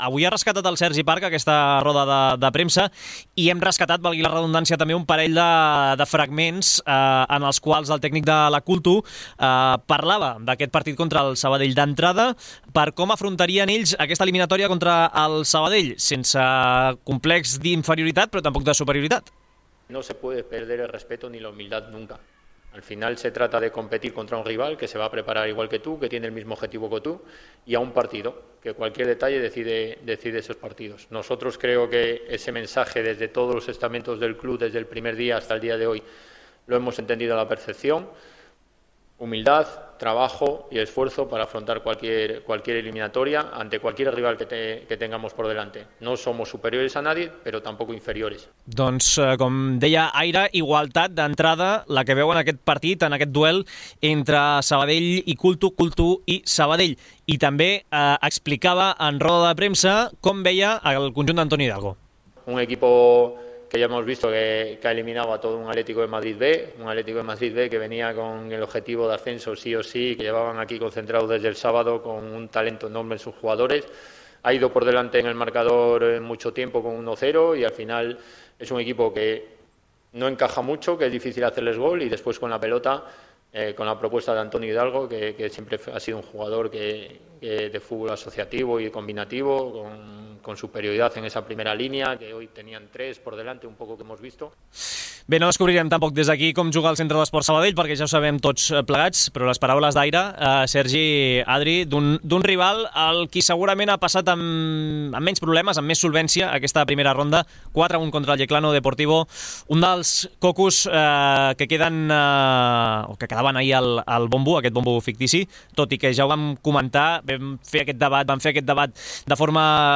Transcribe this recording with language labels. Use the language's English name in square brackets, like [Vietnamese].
[Catalan] Avui ha rescatat el Sergi Parc aquesta roda de premsa i hem rescatat, valgui la redundància, també un parell de fragments en els quals el tècnic de la Cultu parlava d'aquest partit contra el Sabadell d'entrada, per com afrontarien ells aquesta eliminatòria contra el Sabadell, sense complex d'inferioritat, però tampoc de superioritat. [Spanish] No se puede perder el respeto ni la humildad nunca. Al final se trata de competir contra un rival que se va a preparar igual que tú, que tiene el mismo objetivo que tú, y a un partido, que cualquier detalle decide esos partidos. Nosotros creo que ese mensaje desde todos los estamentos del club, desde el primer día hasta el día de hoy, lo hemos entendido a la perfección. Humildad, trabajo y esfuerzo para afrontar cualquier eliminatoria ante cualquier rival que tengamos por delante. No somos superiores a nadie, pero tampoco inferiores. [Catalan] Doncs, com deia Aira, igualtat d'entrada, la que veu en aquest partit, en aquest duel entre Sabadell i Cultu, Cultu i Sabadell. I també explicava en roda de premsa com veia el conjunt d'Antoni Hidalgo. [Spanish] Un equipo que ya hemos visto que ha eliminado a todo un Atlético de Madrid B, un Atlético de Madrid B que venía con el objetivo de ascenso sí o sí, que llevaban aquí concentrados desde el sábado con un talento enorme en sus jugadores. Ha ido por delante en el marcador mucho tiempo con 1-0 y al final es un equipo que no encaja mucho, que es difícil hacerles gol y después con la pelota, con la propuesta de Antonio Hidalgo, que siempre ha sido un jugador que de fútbol asociativo y combinativo, con superioridad en esa primera línea, que hoy tenían tres por delante, un poco que hemos visto. [Catalan] Bé, no descobrirem tampoc des d'aquí com juga el Centre d'Esport Sabadell, perquè ja ho sabem tots plegats, però les paraules d'aire, Sergi, Adri, d'un rival al qui segurament ha passat amb menys problemes, amb més solvència, aquesta primera ronda, 4-1 contra el Yeclano Deportivo, un dels cocos que queden, o que quedaven ahir al bombo, aquest bombo fictici, tot i que ja ho vam comentar, vam fer aquest debat de forma